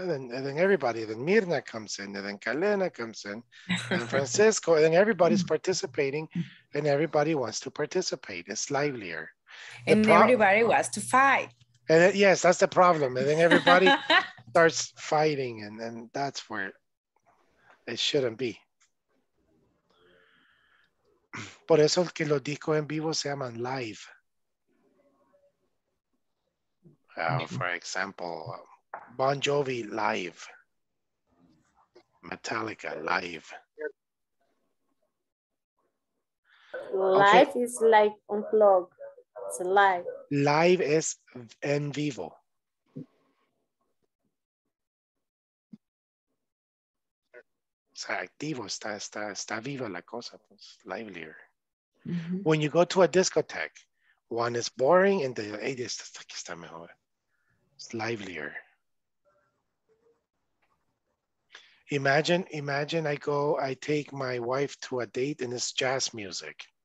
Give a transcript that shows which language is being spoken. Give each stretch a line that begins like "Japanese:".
English: And then everybody, then Mirna comes in, and then Kalena comes in, and Francisco, and then everybody's participating, and everybody wants to participate. It's livelier. Everybody wants to fight. And then, yes, that's the problem. And then everybody starts fighting, and then that's where it shouldn't be.
Spanish: Por eso el que lo dijo en vivo se llaman live.
English: For example, Bon Jovi live. Metallica live. Live, okay. Is like unplugged. It's live. Live is
Spanish: en vivo. O sea, activo, está viva la cosa, pues, livelier. Mm-hmm.
English: When you go to a discotheque, one is boring and the other is it's livelier. Imagine I take my wife to a date and it's jazz music.